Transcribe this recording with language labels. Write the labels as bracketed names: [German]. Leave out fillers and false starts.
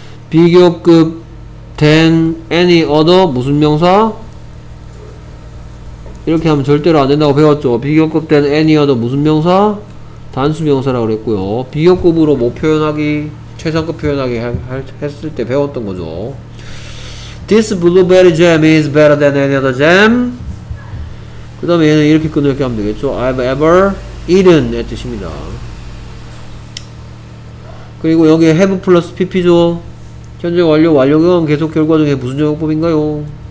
[Korean] 비교급 [English] than any other [Korean] 무슨 명사? 이렇게 하면 절대로 안 된다고 배웠죠. 비교급 [English] than any other [Korean] 무슨 명사? 단수 명사라고 그랬고요. 비교급으로 뭐 표현하기, 최상급 표현하기 했을 때 배웠던 거죠. [English] This blueberry jam is better than any other jam. [Korean] 그 다음에 얘는 이렇게 끊어 이렇게 하면 되겠죠. [English] I've ever eaten [Korean] 의 뜻입니다. 그리고 여기에 have plus pp죠. 현재 완료, 완료 경험 계속 결과 중에 무슨 적용법인가요?